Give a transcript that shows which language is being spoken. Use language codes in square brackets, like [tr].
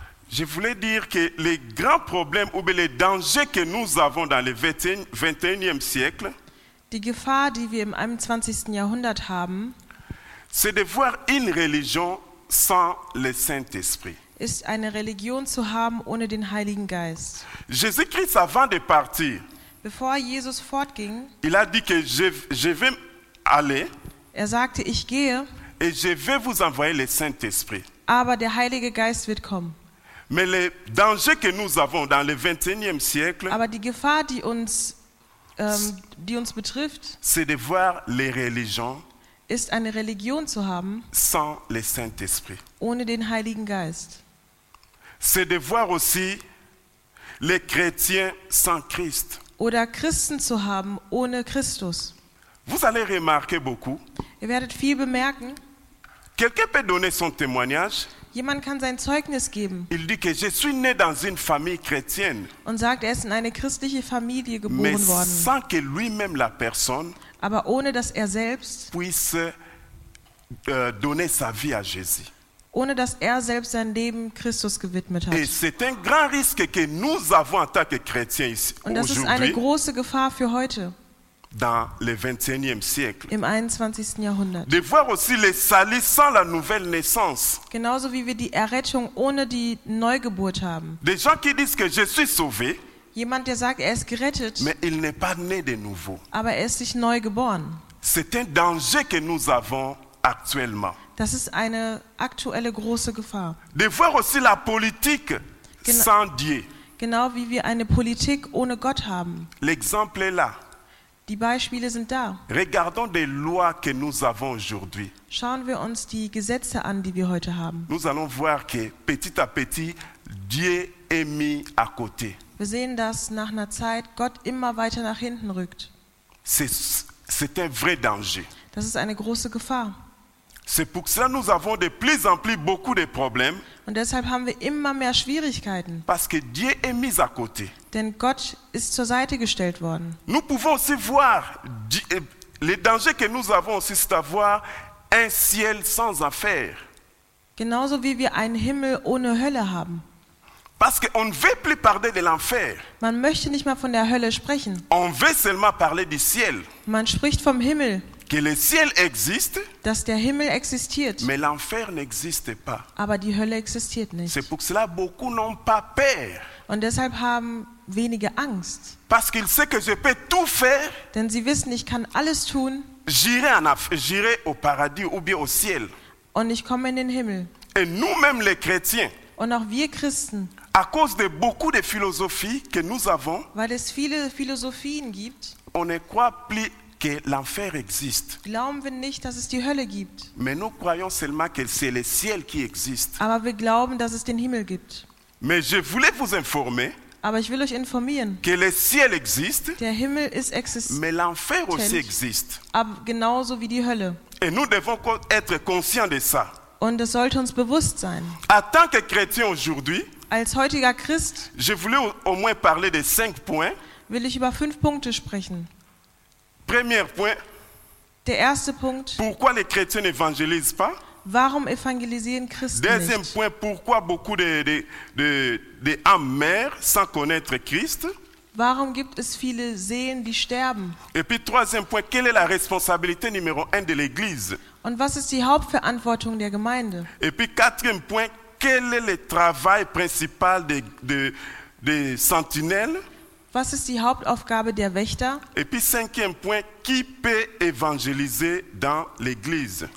[fr] Je voulais dire que les grands problèmes ou les dangers que nous avons dans le 21e siècle, [de] die Gefahr, die wir im 21. Jahrhundert haben, [fr] c'est de voir une religion sans le Saint-Esprit. [de] Ist eine Religion zu haben ohne den Heiligen Geist. [fr] Jésus-Christ, avant de partir, [de] bevor Jesus fortging, [fr] il a dit que je vais aller, [de] er sagte, ich gehe, [fr] et je vais vous envoyer le Saint-Esprit. [de] Aber der Heilige Geist wird kommen. [fr] Mais les dangers que nous avons dans le 21e siècle, [de] aber die Gefahr, die uns betrifft, [fr] c'est de voir les religions, [de] ist eine Religion zu haben, [fr] sans le Saint-Esprit, [de] ohne den Heiligen Geist. [fr] C'est de voir aussi les chrétiens sans Christ. [de] Oder Christen zu haben ohne Christus. [fr] Vous allez remarquer beaucoup. [de] Ihr werdet viel bemerken. [fr] Quelqu'un peut donner son témoignage. [de] Jemand kann sein Zeugnis geben. [fr] Il dit que je suis né dans une famille chrétienne. [de] Und sagt, er ist in eine christliche Familie geboren [fr] mais [de] worden. [fr] Sans que lui-même la personne, [de] aber ohne dass er selbst [fr] puisse donner sa vie à Jésus. [de] Ohne dass er selbst sein Leben Christus gewidmet hat. [fr] Et c'est un grand risque que nous avons en tant que chrétiens ici. [de] Und das ist eine große Gefahr für heute. [fr] Dans le 21e siècle. [de] Im 21. Jahrhundert. [fr] De voir aussi les salis sans la nouvelle naissance. [de] Genauso wie wir die Errettung ohne die Neugeburt haben. [fr] Des gens qui disent que je suis sauvé. [de] Jemand, der sagt, er ist gerettet. [fr] Mais il n'est pas né de nouveau. [de] Aber er ist nicht neu geboren. [fr] C'est un danger que nous avons actuellement. [de] Das ist eine aktuelle große Gefahr. [fr] De voir aussi la politique sans Dieu. [de] Genau wie wir eine Politik ohne Gott haben. [fr] L'exemple est là. [de] Die Beispiele sind da. [fr] Regardons des lois que nous avons aujourd'hui. [de] Schauen wir uns die Gesetze an, die wir heute haben. [fr] Nous allons voir que petit à petit Dieu est mis à côté. [de] Wir sehen, dass nach einer Zeit Gott immer weiter nach hinten rückt. [fr] C'est un vrai danger. [de] Das ist eine große Gefahr. [fr] C'est pour cela nous avons de plus en plus beaucoup de problèmes. [de] Und deshalb haben wir immer mehr Schwierigkeiten. [fr] Parce que Dieu est mis à côté. [de] Denn Gott ist zur Seite gestellt worden. [fr] Nous pouvons aussi voir les dangers que nous avons aussi, c'est avoir un ciel sans enfer. [de] Genauso wie wir einen Himmel ohne Hölle haben. [fr] Parce qu'on ne veut plus parler de l'enfer. [de] Man möchte nicht mehr von der Hölle sprechen. [fr] On veut seulement parler du ciel. [de] Man spricht vom Himmel. [fr] que le ciel existe, [de] dass der Himmel existiert, [fr] mais l'enfer n'existe pas. [de] Aber die Hölle existiert nicht. [fr] C'est pour cela beaucoup n'ont pas peur. [de] Und deshalb haben wenige Angst. [fr] Parce qu'il sait que je peux tout faire, [de] denn sie wissen, ich kann alles tun. [fr] J'irai au paradis ou bien au ciel. [de] Und ich komme in den Himmel. [fr] Et nous-mêmes les chrétiens, [de] und auch wir Christen, [fr] à cause de beaucoup de philosophies que nous avons, [de] weil es viele Philosophien gibt, [fr] on ne croit plus que l'enfer existe. [de] Glauben wir nicht, dass es die Hölle gibt. [fr] Mais nous croyons seulement que c'est le ciel qui existe. [de] Aber wir glauben, dass es den Himmel gibt. [fr] Mais je voulais vous informer, [de] aber ich will euch informieren, [fr] que le ciel existe, [de] der Himmel ist existent, [fr] mais l'enfer aussi existe. [de] Aber genauso wie die Hölle. [fr] Et nous devons être conscients de ça. [de] Und es sollte uns bewusst sein. [fr] En tant que chrétien aujourd'hui, [de] als heutiger Christ, [fr] je voulais au moins parler de 5 points, [de] will ich über 5 Punkte sprechen. [fr] Premier point, [de] der erste Punkt, [fr] pourquoi les chrétiens n'évangélisent pas? [de] Warum evangelisieren Christen nicht? [fr] Deuxième point, pourquoi beaucoup de âmes meurent sans connaître Christ? [de] Warum gibt es viele Seelen, die sterben? [fr] Et puis troisième point, quelle est la responsabilité numéro 1 de l'Église? [de] Und was ist die Hauptverantwortung der Gemeinde? [fr] Et puis quatrième point, quel est le travail principal des sentinelles? [de] Was ist die Hauptaufgabe der Wächter? [fr] Et puis cinquième point, qui peut évangéliser dans l'Église?